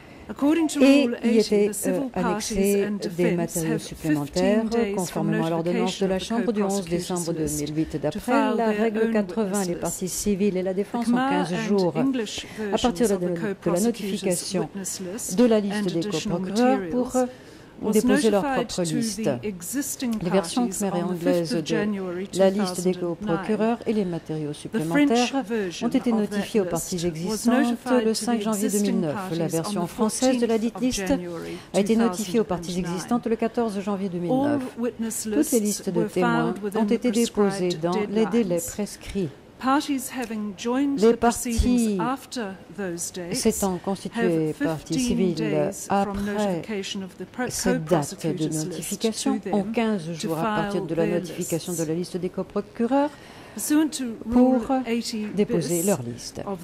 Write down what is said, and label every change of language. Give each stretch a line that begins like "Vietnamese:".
English: According to Rule 80, the civil parties and defense have 15 days
French: conformément à l'ordonnance de la Chambre du 11 décembre 2008. D'après la règle 80, les parties civiles et la défense ont 15 jours à partir de la notification de la liste des coprocureurs pour déposer leur propre liste. Les versions khmer et anglaises de la liste des coprocureurs et les matériaux supplémentaires ont été notifiés aux parties existantes le 5 janvier 2009. La version française de la dite liste a été notifiée aux parties existantes le 14 janvier 2009. Toutes les listes de témoins ont été déposées dans les délais prescrits.
English: parties having joined the proceedings after those dates
French: s'étant constituées parties civiles après cette date de notification ont 15 jours à partir de la notification de la liste des coprocureurs pour déposer leur liste.